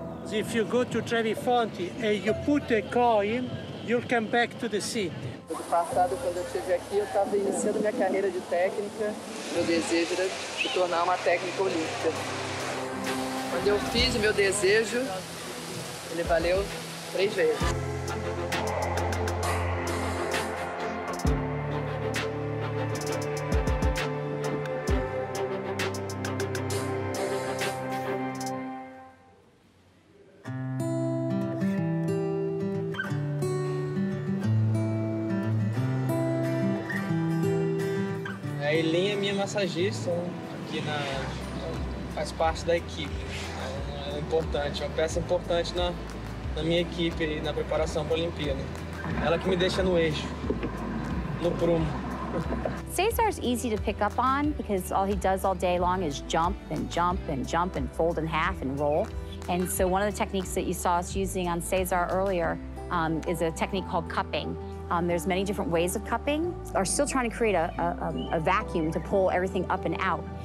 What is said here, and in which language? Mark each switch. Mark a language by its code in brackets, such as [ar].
[en] If you go to Trevi Fonte and you put a coin, you'll come back to the city. [pt] No passado, quando eu estive aqui, eu estava iniciando minha carreira de técnica. Meu desejo era se tornar uma técnica olímpica. Quando eu fiz o meu desejo, ele valeu 3 vezes. Massagista aqui na faz parte da equipe. É importante, é uma peça importante na minha equipe e na preparação para a Olimpíada. Ela que me deixa no eixo, no prumo. [en] Cesar is easy to pick up on because all he does all day long is jump and jump and jump and fold in half and roll. And so one of the techniques that you saw us using on Cesar earlier is a technique called cupping. There's many different ways of cupping. We're still trying to create a vacuum to pull everything up and out.